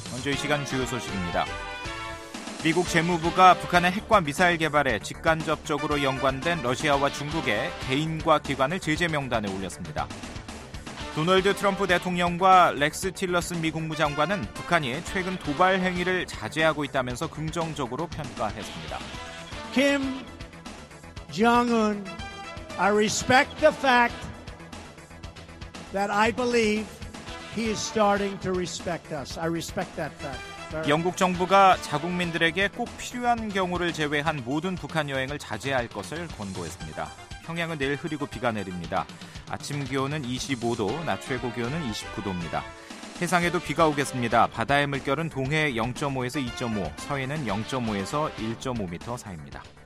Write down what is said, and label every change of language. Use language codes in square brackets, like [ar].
[ko] 먼저 이 시간 주요 소식입니다. 미국 재무부가 북한의 핵과 미사일 개발에 직간접적으로 연관된 러시아와 중국의 개인과 기관을 제재 명단에 올렸습니다. 도널드 트럼프 대통령과 렉스 틸러슨 미 국무장관은 북한이 최근 도발 행위를 자제하고 있다면서 긍정적으로 평가했습니다. [en] Kim Jong-un, I respect the fact that I believe he is starting to respect us. I respect that fact. [ko] 영국 정부가 자국민들에게 꼭 필요한 경우를 제외한 모든 북한 여행을 자제할 것을 권고했습니다. 평양은 내일 흐리고 비가 내립니다. 아침 기온은 25도, 낮 최고 기온은 29도입니다. 해상에도 비가 오겠습니다. 바다의 물결은 동해 0.5에서 2.5, 서해는 0.5에서 1.5m 사이입니다.